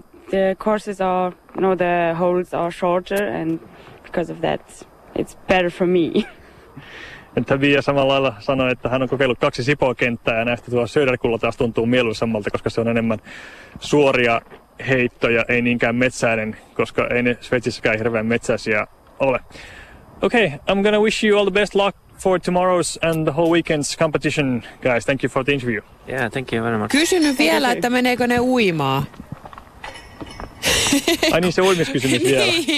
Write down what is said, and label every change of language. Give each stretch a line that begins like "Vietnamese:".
English: The courses are, you know, the holes are shorter, and because of that, it's better for me.
Finnish: Tobia samalla lailla sanoi, että hän on kokeillut kaksi Sipoo-kenttää ja näistä tuo Söderkulla taas tuntuu mieluisammalta, koska se on enemmän suoria heittoja, ei niinkään metsäinen, koska ei ne Sveitsissäkään hirveän metsäisiä ole.
English: Okay, I'm going to wish you all the best luck for tomorrow's and the whole weekend's competition, guys. Thank you for the interview. Yeah, thank you very much.
Finnish: Kysynyt vielä, että meneekö ne uimaa. Ai niin, se uimiskysymys vielä.